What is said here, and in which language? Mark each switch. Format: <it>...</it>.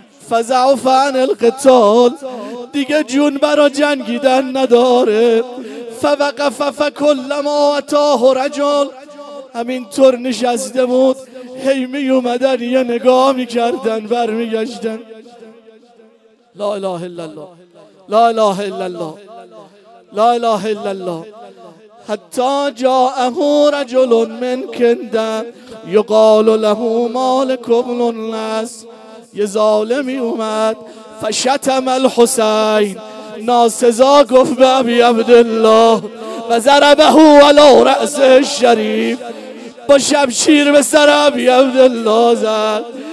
<ar>فضعف عن القتال،</ar> <fa>دیگه جون برا جنگیدن نداره،</fa> <ar>فوقف فکلما اتاه رجل،</ar> <fa>همینطور نشسته بود، هی میومدن یه نگاه میکردن برمیگشتن.</fa> <ar>لا اله الا الله، لا اله الا الله، لا اله الا الله. حتی جاءه رجل من کنده یقال له مالک ابن الناس،</ar> <fa>یه ظالمی اومد،</fa> <ar>فشتم الحسین،</ar> <fa>ناسزا گفت به ابی عبدالله،</fa> <ar>و ضربه على رأسه الشریف،</ar> <fa>با شمشیر به سر ابی عبدالله زد،</fa>